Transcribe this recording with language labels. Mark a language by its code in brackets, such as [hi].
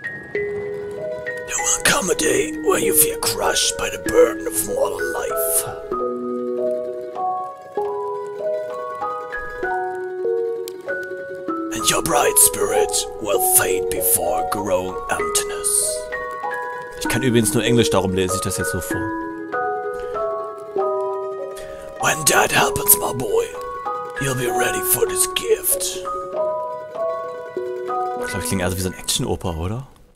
[en] There will come a day where you feel crushed by the burden of mortal life. And your bright spirit will fade before growing emptiness. [de] Ich kann übrigens nur Englisch, darum lese ich das jetzt so vor. [en] When that happens, my boy, you'll be ready for this gift. [de] Ich glaube, ich klinge also wie so ein Action-Opa, oder?